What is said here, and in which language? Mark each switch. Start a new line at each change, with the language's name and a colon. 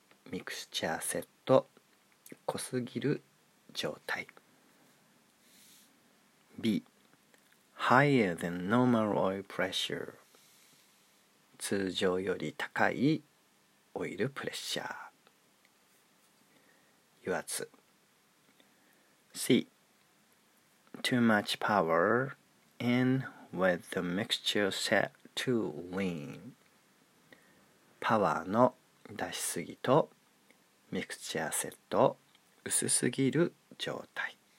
Japanese: ミクスチャーセット濃すぎる状態 B.
English: Higher than normal oil pressure.
Japanese: 通常より高いオイルプレッシャー油圧 C.
English: Too much power andWith the mixture set too lean.
Japanese: パワーの出しすぎとミクチャーセット薄すぎる状態。